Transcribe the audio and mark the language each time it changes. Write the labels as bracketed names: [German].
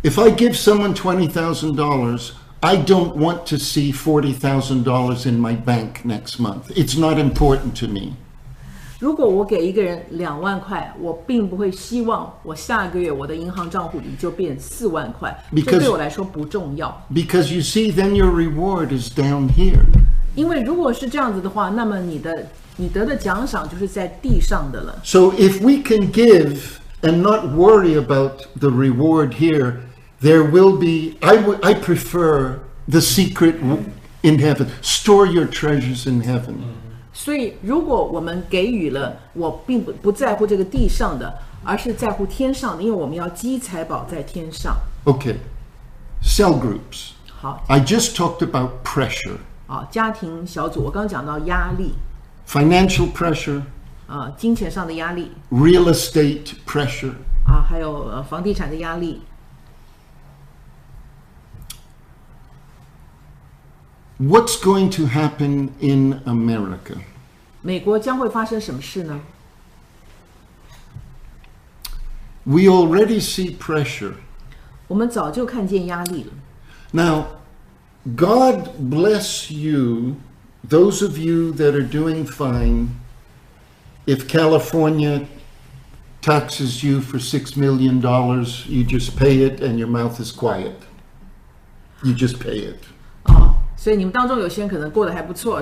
[English] If I give someone $20,000, I don't want to see $40,000 in my bank next month. It's not important to me. [Chinese] 如果我给一个人20,000块，我并不会希望我下个月我的银行账户里就变40,000块。 [English] Because, [Chinese] 这对我来说不重要。 [English] Because you see, then your reward is down here. [Chinese] 因为如果是这样子的话，那么你得的奖赏就是在地上的了。 [English] So if we can give and not worry about the reward here, there will be, I prefer the secret in heaven. Store your treasures in heaven. [Chinese] 所以如果我们给予了我并 不在乎这个地上的而是在乎天上的因为我们要积财宝在天上 [English] OK Cell groups [Chinese] 好 [English] I just talked about pressure [Chinese] 家庭小组我刚讲到压力 [English] Financial pressure [Chinese] 金钱上的压力 [English] Real estate pressure [Chinese] 还有房地产的压力 [English] What's going to happen in America? [Chinese] 美国将会发生什么事呢 [English] ？We already see pressure. [Chinese] 我们早就看见压力了。 [English] Now, God bless you, those of you that are doing fine. If California taxes you for $6 million, you just pay it, and your mouth is quiet. You just pay it. [Chinese] 所以你们当中有些人可能过得还不错。